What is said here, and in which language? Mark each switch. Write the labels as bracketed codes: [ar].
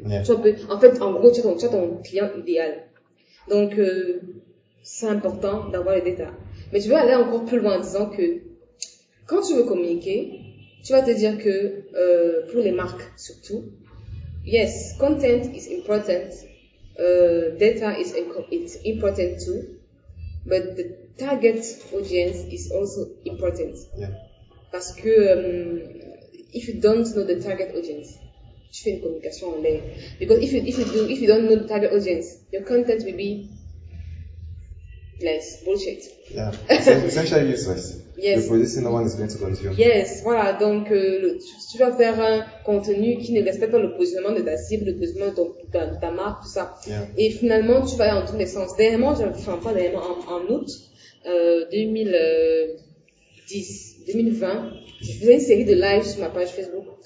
[fr] Tu as ton client idéal. Donc, c'est important d'avoir les détails. Mais je veux aller encore plus loin en disant que quand tu veux communiquer, tu vas te dire que pour les marques surtout, [en] yes, content is important. Data is it's important too, but the target audience is also important. [fr] Parce que [en] if you don't know the target audience, [fr] tu fais une communication en l'air. [en] Because if you don't know the target audience, your content will be less bullshit. Yeah, essentially useless. Yes. The position no one is going to consume. Yes, voilà. [fr] Donc tu vas faire un contenu qui ne respecte pas le positionnement de ta cible, le positionnement de ta marque, tout ça. [en] Yeah. [fr] Et finalement, tu vas aller dans tous les sens. Dernièrement, en août 2020, je faisais une série de lives sur ma page Facebook.